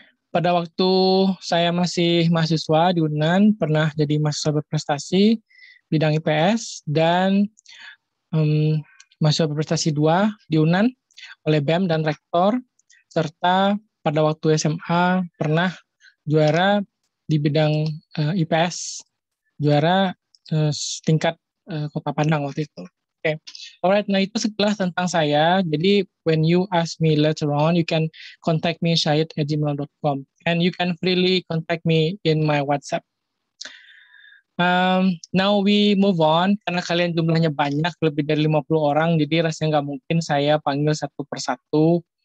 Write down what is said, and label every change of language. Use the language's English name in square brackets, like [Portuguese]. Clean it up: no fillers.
[Indonesian] Pada waktu saya masih mahasiswa di UNAN, pernah jadi mahasiswa berprestasi bidang IPS, dan mahasiswa berprestasi 2 di UNAN oleh BEM dan Rektor, serta pada waktu SMA pernah juara di bidang IPS, juara tingkat Kota Padang waktu itu. Okay. Alright, nah itu sekilas tentang saya. [English] Jadi when you ask me later on, you can contact me syed@gmail.com and you can freely contact me in my WhatsApp. Now we move on, [Indonesian] karena kalian jumlahnya banyak, lebih dari 50 orang, jadi rasanya nggak mungkin saya panggil satu per satu.